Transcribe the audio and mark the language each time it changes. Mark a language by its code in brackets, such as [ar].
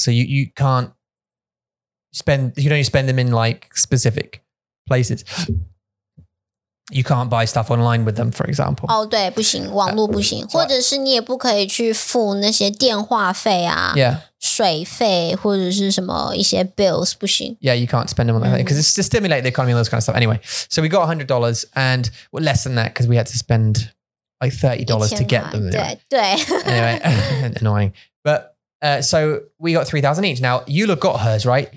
[en] So you can't spend, you don't spend them in like specific places. You can't buy stuff online with them, for example. [zh] Oh, 对，不行，网络不行。或者是你也不可以去付那些电话费啊。 [en] Yeah. [zh] 水费或者是什么一些 bills 不行 [en] Yeah, you can't spend them on that because it's to stimulate the economy and those kind of stuff. Anyway, so we got $100 and well, less than that because we had to spend like $30 to get them. [zh] 对 [en] Anyway, annoying. But so we got $3,000 each. Now, Eula got hers, right?